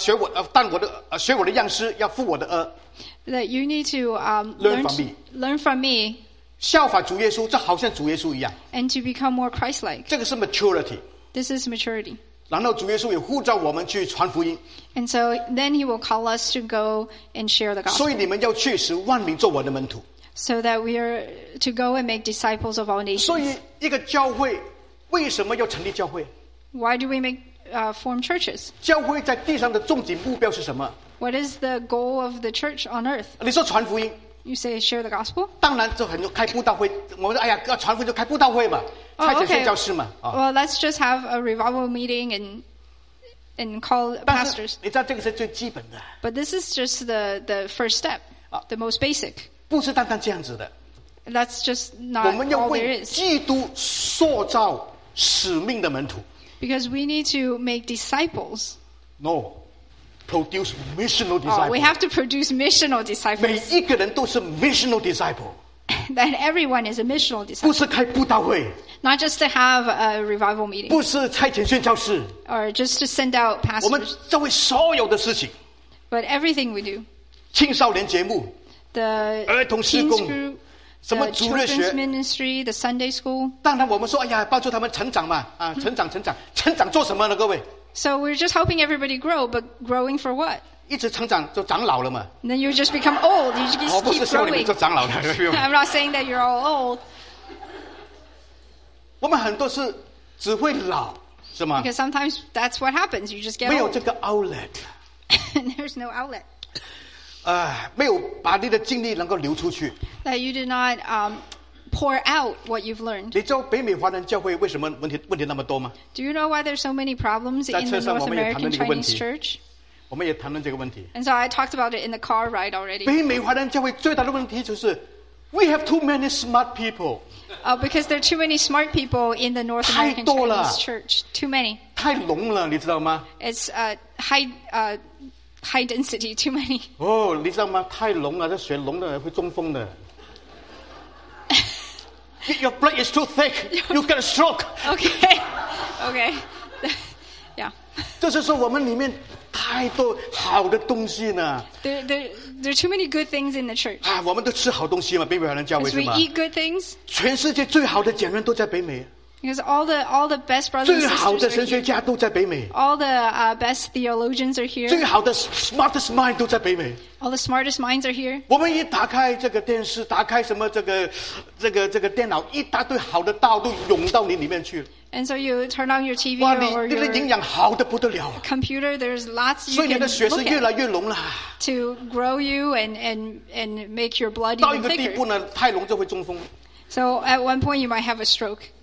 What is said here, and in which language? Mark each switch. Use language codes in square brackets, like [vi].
[zh] 你们要学我的样式，要负我的轭。 [en] That you need to learn from me. [zh] 效法主耶稣，这好像主耶稣一样。 [en] And to become more Christ-like. [zh] 这个是 maturity. [en] This is maturity. [zh] 然后主耶稣也呼召我们去传福音。 [en] And so then he will call us to go and share the gospel. [zh] 所以你们要去使万民做我的门徒。 [en] So that we are to go and make disciples of all nations. [zh] 所以一个教会为什么要成立教会？ [en] Why do we make form churches? [zh] 教会在地上的终极目标是什么？ [en] What is the goal of the church on earth? [zh] 你说传福音。 [en] You say share the gospel? [zh] 当然就很多开布道会，我们说哎呀，要传福音就开布道会嘛，差遣宣教士嘛。 [en] Oh, okay. Well, let's just have a revival meeting and call pastors. [zh] 你知道这个是最基本的。 [en] But this is just the first step, the most basic. [zh] 不是单单这样子的。 [en] That's just not all there is. [zh] 我们要为基督塑造使命的门徒。 [en] Because we need to make disciples. No. Produce missional disciples. Oh, we have to produce missional disciples. [zh] 每一个人都是 missional disciple. [en] That everyone is a missional disciple. [zh] 不是开布道会。 [en] Not just to have a revival meeting. [zh] 不是差遣宣教士。 [en] Or just to send out pastors. [zh] 我们周围所有的事情。 [en] But everything we do. [zh] 青少年节目。 [en] The [zh] 儿童事工。什么主日学。 [en] The children's ministry, the Sunday school. [zh] 当然我们说，哎呀，帮助他们成长嘛，啊，成长，成长，成长做什么呢，各位？ [en] So we're just helping everybody grow, but growing for what? [zh] 一直成长就长老了嘛。 [en] Then you just become old. You just keep growing. [zh] 我不是说你们就长老了。 [en] I'm not saying that you're all old. [zh] 我们很多是只会老，是吗？ [en] Because sometimes that's what happens. You just get old. [zh] 没有这个 outlet. [en] There's no outlet. [zh] 没有把你的精力能够流出去。 [en] That you did not pour out what you've learned. [zh] 你知道北美华人教会为什么问题那么多吗？ [en] Do you know why there's so many problems in the North American Chinese church? [zh] 我们也谈论这个问题。 [en] And so I talked about it in the car ride already. [zh] 北美华人教会最大的问题就是 [en] we have too many smart people. Because there are too many smart people in the North American Chinese church. Too many. [zh] 太浓了，你知道吗？ [en] It's high density. Too many. [zh] 哦，你知道吗？太浓了，这血浓的会中风的。 [en] Your blood is too thick. You get a stroke. Okay. Okay. Yeah. [zh] 就是说我们里面太多好的东西呢。 [en] There are too many good things in the church. [zh] 啊，我们都吃好东西嘛，北美华人教会是吗？ [en] Because we eat good things. [zh] 全世界最好的讲员都在北美。 [en] Because all the best brothers and sisters are here. [zh] 最好的神学家都在北美。 [en] All the best theologians are here. [zh] 最好的 [en] smartest mind [zh] 都在北美。 [en] All the smartest minds are here. [zh] 我们一打开这个电视，打开什么这个电脑，一大堆好的道都涌到你里面去了。 [en] And so you turn on your TV. [zh] 哇，你的营养好得不得了。 [en] Computer, there's lots. [zh] 所以你的血是越来越浓了。 [en] To grow you and make your blood even thicker. [zh] 到一个地步呢，太浓就会中风。 [en] So at one point you might have a stroke.